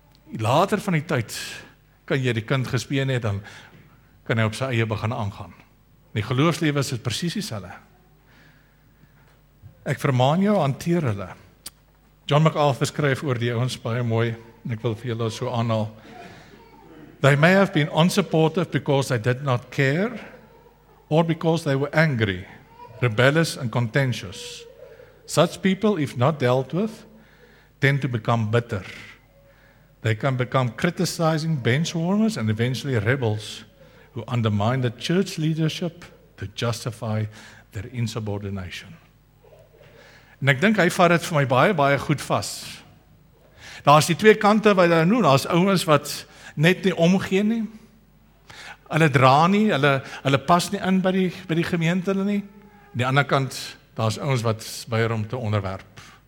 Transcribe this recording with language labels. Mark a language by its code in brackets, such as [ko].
[af] Later van die tyd kan jy die kind gespeen het, dan kan hy op sy eie begin aangaan. Die geloofslewe is dit presies dieselfde. Ek vermaan jou, hanteer hulle. John MacArthur skryf oor die ouens baie mooi, en ek wil vir julle so aanhaal. [en] They may have been unsupportive because they did not care, or because they were angry, rebellious and contentious. Such people, if not dealt with, tend to become bitter. They can become criticizing benchwarmers and eventually rebels who undermine the church leadership to justify their insubordination. [af] En ek dink hy vat dit vir my baie, baie goed vas. Daar is die twee kante wat hy noem, daar is ouens wat net nie omgee nie. Hulle dra nie, hulle pas nie in by die gemeente nie. En die ander kant, daar is ouens wat weier om te onderwerp.